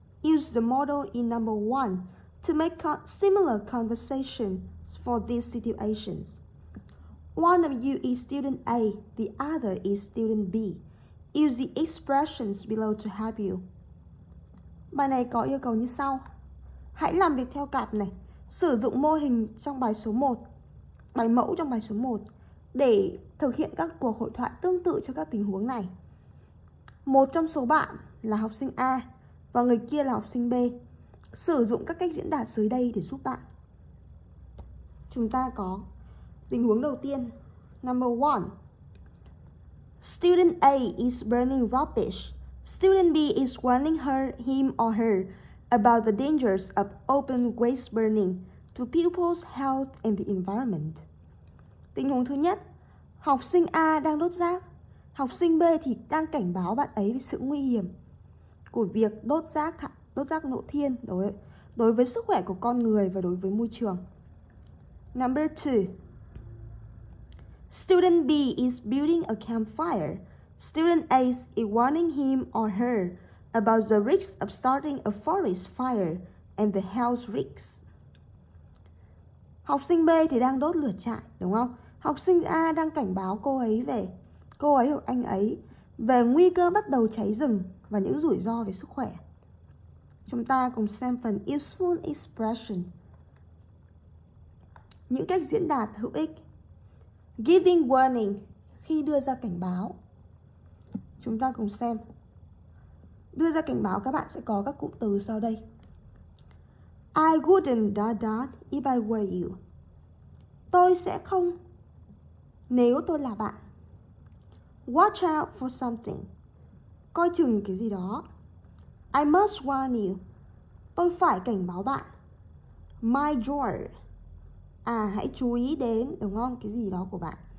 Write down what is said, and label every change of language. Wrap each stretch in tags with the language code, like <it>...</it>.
<en>Use the model in number 1 to make similar conversations for these situations. One of you is student A, the other is student B. Use the expressions below to help you.</en> <vi>Bài này có yêu cầu như sau. Hãy làm việc theo cặp này, sử dụng mô hình trong bài số 1, bài mẫu trong bài số 1 để thực hiện các cuộc hội thoại tương tự cho các tình huống này. Một trong số bạn là học sinh A và người kia là học sinh B. Sử dụng các cách diễn đạt dưới đây để giúp bạn. Chúng ta có tình huống đầu tiên.</vi> <en>Number 1. Student A is burning rubbish. Student B is warning him or her about the dangers of open waste burning to people's health and the environment.</en> <vi>Tình huống thứ nhất, học sinh A đang đốt rác. Học sinh B thì đang cảnh báo bạn ấy về sự nguy hiểm của việc đốt rác lộ thiên đối với sức khỏe của con người và đối với môi trường.</vi> <en>Number 2. Student B is building a campfire. Student A is warning him or her about the risks of starting a forest fire and the health risks.</en> <vi>Học sinh B thì đang đốt lửa trại, đúng không? Học sinh A đang cảnh báo cô ấy hoặc anh ấy về nguy cơ bắt đầu cháy rừng và những rủi ro về sức khỏe. Chúng ta cùng xem phần useful expression. Những cách diễn đạt hữu ích.</vi> <en>Giving warning,</en> <vi>khi đưa ra cảnh báo. Chúng ta cùng xem. Đưa ra cảnh báo các bạn sẽ có các cụm từ sau đây.</vi> <en>I wouldn't da da if I were you.</en> <vi>Tôi sẽ không nếu tôi là bạn.</vi> <en>Watch out for something.</en> <vi>Coi chừng cái gì đó.</vi> <en>I must warn you.</en> <vi>Tôi phải cảnh báo bạn.</vi> <en>My drawer.</en> <vi>À, hãy chú ý đến, đúng không, cái gì đó của bạn.</vi>